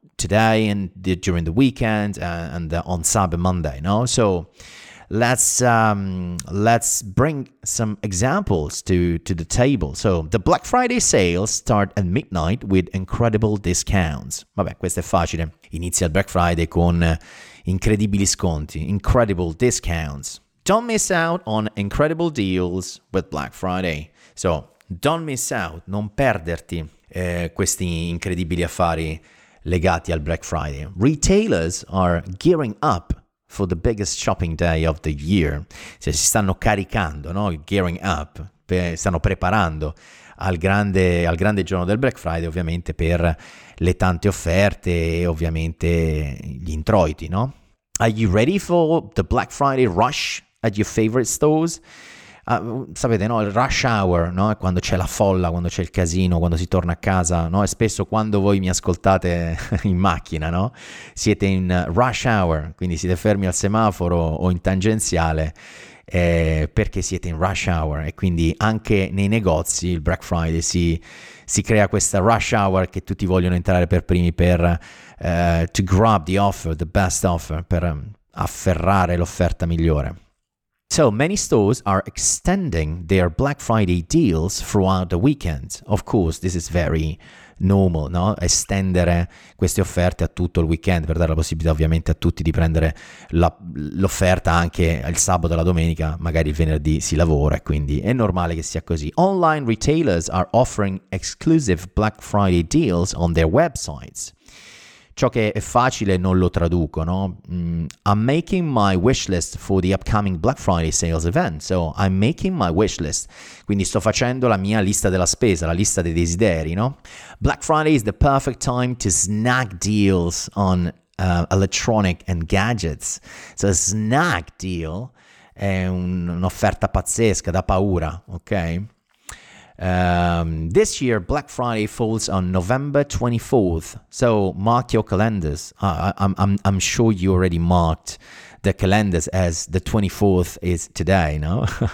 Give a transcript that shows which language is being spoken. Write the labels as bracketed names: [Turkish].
[English] Today and during the weekend and on Cyber Monday, no? So let's bring some examples to the table. So the Black Friday sales start at midnight with incredible discounts. [Italian] Vabbè, questo è facile. Inizia il Black Friday con incredibili sconti, [English] incredible discounts. Don't miss out on incredible deals with Black Friday. So don't miss out, [Italian] non perderti questi incredibili affari legati al Black Friday. [English] Retailers are gearing up for the biggest shopping day of the year. [Italian] Cioè, si stanno caricando, no? [English] Gearing up, [Italian] stanno preparando al grande giorno del Black Friday, ovviamente per le tante offerte e ovviamente gli introiti, no? [English] Are you ready for the Black Friday rush at your favorite stores? [Italian] Sapete, no? Il rush hour, no? Quando c'è la folla, quando c'è il casino, quando si torna a casa, no? E spesso quando voi mi ascoltate in macchina, no? Siete in rush hour, quindi siete fermi al semaforo o in tangenziale perché siete in rush hour, e quindi anche nei negozi il Black Friday si crea questa rush hour che tutti vogliono entrare per primi per [English] to grab the offer, the best offer, [Italian] per afferrare l'offerta migliore. [English] So many stores are extending their Black Friday deals throughout the weekend. Of course, this is very normal, no? [Italian] Estendere queste offerte a tutto il weekend per dare la possibilità ovviamente a tutti di prendere l'offerta anche il sabato e la domenica, magari il venerdì si lavora, quindi è normale che sia così. [English] Online retailers are offering exclusive Black Friday deals on their websites. [Italian] Ciò che è facile non lo traduco, no? [English] I'm making my wish list for the upcoming Black Friday sales event. So I'm making my wish list. [Italian] Quindi sto facendo la mia lista della spesa, la lista dei desideri, no? [English] Black Friday is the perfect time to snag deals on electronic and gadgets. So a snag deal [Italian] è un'offerta pazzesca, da paura, ok? [English] This year Black Friday falls on November 24th. So mark your calendars. I'm sure you already marked the calendars as the 24th is today, no?